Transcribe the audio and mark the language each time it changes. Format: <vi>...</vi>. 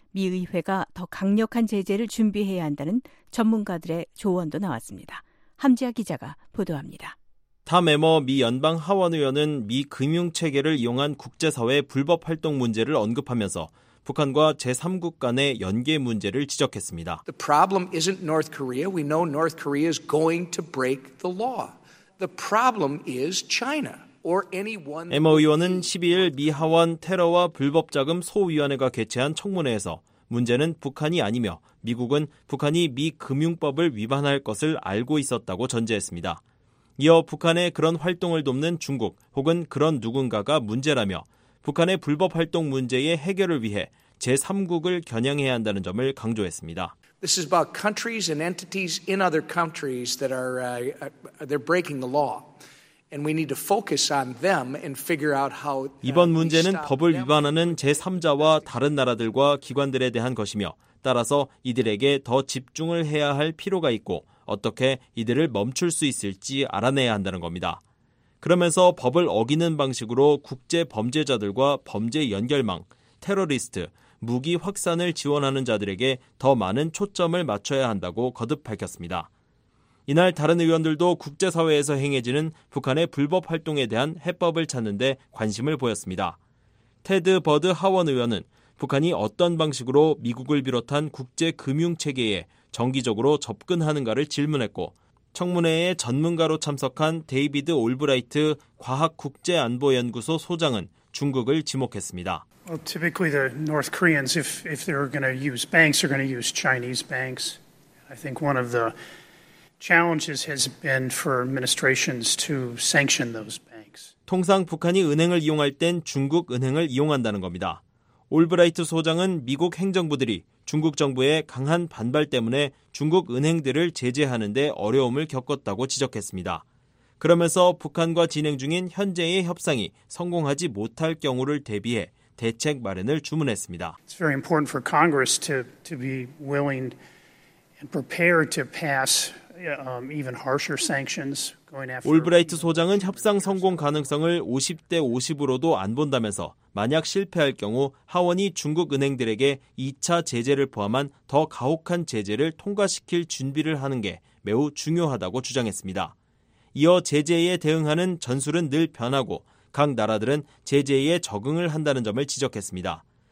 <ko>미 의회가 더 강력한 제재를 준비해야 한다는 전문가들의 조언도 나왔습니다. 함지아 기자가 보도합니다. 탐 에머 미 연방 하원의원은 미 금융체계를 이용한 국제사회 불법 활동 문제를 언급하면서 북한과 제3국 간의 연계 문제를 지적했습니다.</ko> <en>The problem isn't North Korea. We know North Korea is going to break the law. The problem is China.</en> <ko>에머 의원은 12일 미 하원 테러와 불법 자금 소위원회가 개최한 청문회에서 문제는 북한이 아니며 미국은 북한이 미 금융법을 위반할 것을 알고 있었다고 전제했습니다. 이어 북한의 그런 활동을 돕는 중국 혹은 그런 누군가가 문제라며 북한의 불법 활동 문제의 해결을 위해 제3국을 겨냥해야 한다는 점을 강조했습니다.</ko> <en>This is about countries and entities in other countries that are they're breaking the law. And we need to focus on them and figure out how</en> <ko>이번 문제는 법을 위반하는 제3자와 다른 나라들과 기관들에 대한 것이며 따라서 이들에게 더 집중을 해야 할 필요가 있고 어떻게 이들을 멈출 수 있을지 알아내야 한다는 겁니다. 그러면서 법을 어기는 방식으로 국제 범죄자들과 범죄 연결망, 테러리스트, 무기 확산을 지원하는 자들에게 더 많은 초점을 맞춰야 한다고 거듭 밝혔습니다. 이날 다른 의원들도 국제사회에서 행해지는 북한의 불법 활동에 대한 해법을 찾는 데 관심을 보였습니다. 테드 버드 하원 의원은 북한이 어떤 방식으로 미국을 비롯한 국제금융체계에 정기적으로 접근하는가를 질문했고 청문회에 전문가로 참석한 데이비드 올브라이트 과학국제안보연구소 소장은 중국을 지목했습니다.</ko> <en>Well, typically the North Koreans, if they're going to use banks, are going to use Chinese banks. I think one of the challenges has been for administrations to sanction those banks.</en> <ko>통상 북한이 은행을 이용할 땐 중국 은행을 이용한다는 겁니다. 올브라이트 소장은 미국 행정부들이 중국 정부의 강한 반발 때문에 중국 은행들을 제재하는 데 어려움을 겪었다고 지적했습니다. 그러면서 북한과 진행 중인 현재의 협상이 성공하지 못할 경우를 대비해 대책 마련을 주문했습니다.</ko> <en>It's very important for Congress to be willing and prepared to pass even harsher sanctions.</en> <ko>올브라이트 소장은 협상 성공 가능성을 50대 50으로도 안 본다면서 만약 실패할 경우 하원이 중국 은행들에게 2차 제재를 포함한 더 가혹한 제재를 통과시킬 준비를 하는 게 매우 중요하다고 주장했습니다. 이어 제재에 대응하는 전술은 늘 변하고 각 나라들은 제재에 적응을 한다는 점을 지적했습니다.</ko>